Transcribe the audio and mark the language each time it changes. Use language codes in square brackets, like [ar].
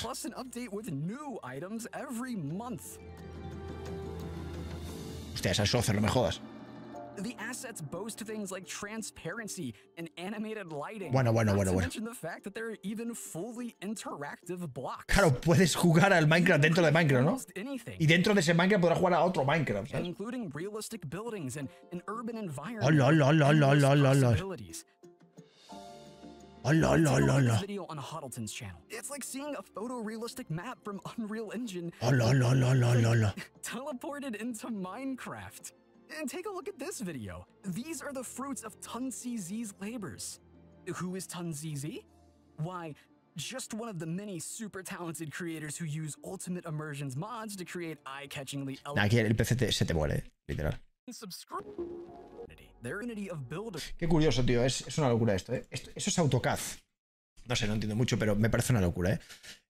[en] Plus an update with new items every month. [es] Hostia, esa software no me jodas. [en] The assets boast things like transparency and animated lighting. [es] Bueno, bueno, bueno, bueno. [en] Not to mention the fact that there are even fully interactive blocks. [es] Claro, puedes jugar al Minecraft dentro de Minecraft, ¿no? Y dentro de ese Minecraft podrás jugar a otro Minecraft, ¿sabes? [en] Including realistic buildings and an urban environment. Teleported into Minecraft. And take a look at this video. These are the fruits of Tun CZ's labors. Who is Tun CZ? Why, just one of the many super talented creators who use Ultimate Immersion's mods to create eye-catchingly [es] elegant. Aquí el PC se te muere, literal. Qué curioso, tío. Es una locura esto, ¿eh? Eso es AutoCAD. No sé, no entiendo mucho, pero me parece una locura, ¿eh?